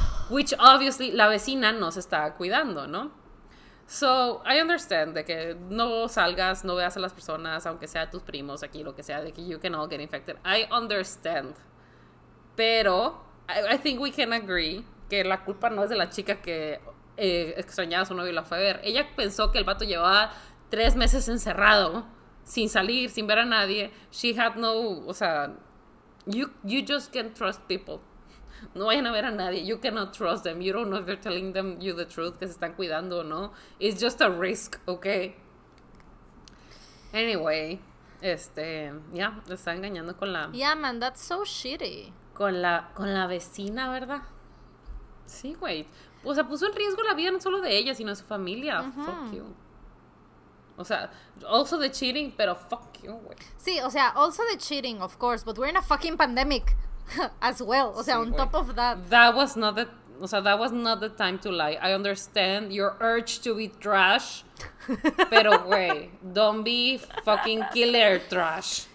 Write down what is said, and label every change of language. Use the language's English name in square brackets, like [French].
[Spanish] Which obviously la vecina no se estaba cuidando, ¿no? [English] So I understand [Spanish] de que no salgas, no veas a las personas, aunque sea a tus primos, aquí, lo que sea, de que [English] you can all get infected. I understand. [Spanish] Pero [English] I think we can agree [Spanish] que la culpa no es de la chica que extrañaba a su novio y la fue a ver. Ella pensó que el vato llevaba 3 meses encerrado, sin salir, sin ver a nadie. [English] She had no, o sea, you just can't trust people. [Spanish] No vayan a ver a nadie. [English] You cannot trust them. You don't know if they're telling them you the truth, [Spanish] que se están cuidando o no. [English] It's just a risk, okay? Anyway, yeah, [Spanish] le está engañando con la... [English] Yeah, man, that's so shitty. [Spanish] Con la vecina, ¿verdad? Sí, güey. O sea, puso en riesgo la vida no solo de ella, sino de su familia. [English] Fuck you. O sea, also the cheating, pero fuck you, güey. [Spanish] Sí, o sea, [English] also the cheating, of course, but we're in a fucking pandemic as well. O sea, sí, on wey. Top of that. That was not the time to lie. I understand your urge to be trash, pero güey, don't be fucking killer trash.